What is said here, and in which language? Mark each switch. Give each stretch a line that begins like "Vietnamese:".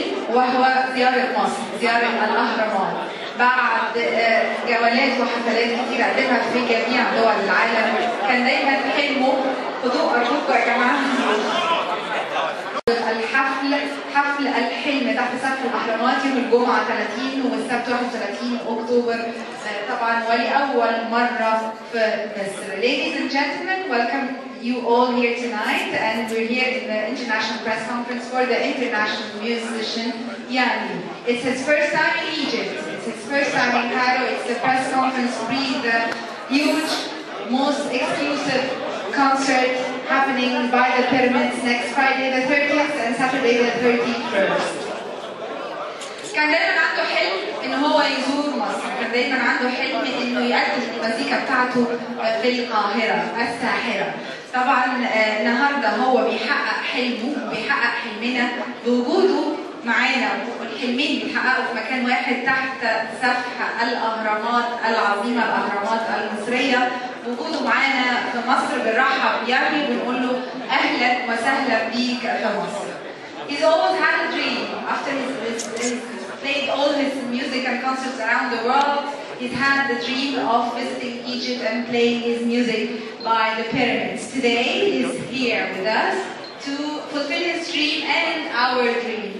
Arabic: وهو زيارة مصر، زيارة الأهرامات بعد جولات وحفلات كتير قدمها في جميع دول العالم. كان دايما حلمه، خدوه أرجوكوا يا جماعة، الحفل حفل الحلم تحت سقف الأهرامات يوم الجمعة 30 والسبت 31 أكتوبر طبعا، ولأول مرة في مصر.
English: Ladies and gentlemen, welcome you all here tonight, and we're here in the international press conference for the international musician Yanni. It's his first time in Egypt, it's his first time in Cairo, it's the press conference pre the huge, most exclusive concert happening by the pyramids next Friday the 30th and Saturday the 31st.
Arabic: كان دايما عنده حلم ان هو يزور مصر، كان دايما عنده حلم انه يؤدي المزيكا بتاعته في القاهره الساحره. طبعا النهارده هو بيحقق حلمه، بيحقق حلمنا بوجوده معانا، والحلمين بيحققوا في مكان واحد تحت سقف الاهرامات العظيمه، الاهرامات المصريه. وجوده معانا في مصر بنرحب يعني بنقول له اهلا وسهلا بيك في مصر.
English: He's always had a dream after played all his music and concerts around the world. He's had the dream of visiting Egypt and playing his music by the pyramids. Today he's here with us to fulfill his dream and our dream.